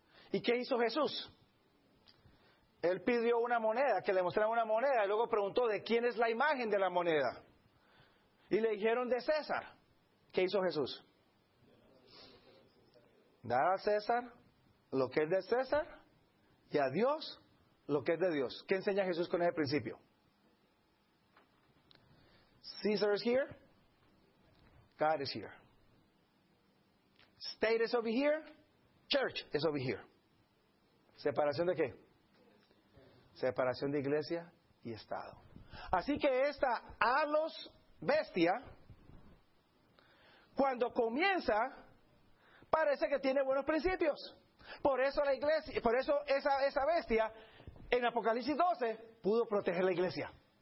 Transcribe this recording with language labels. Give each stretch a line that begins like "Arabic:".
Spanish: ¿Y qué hizo Jesús? Él pidió una moneda, que le mostraran una moneda, y luego preguntó, ¿de quién es la imagen de la moneda? Y le dijeron, de César. ¿Qué hizo Jesús? Dar a César lo que es de César, y a Dios lo que es de Dios. ¿Qué enseña Jesús con ese principio?
English: Caesar is here, God is here. State is over here, church is over here.
Spanish: ¿Separación de qué? Separación de iglesia y Estado. Así que esta halos bestia, cuando comienza, parece que tiene buenos principios. Por eso la iglesia, por eso esa bestia en Apocalipsis 12 pudo proteger la iglesia.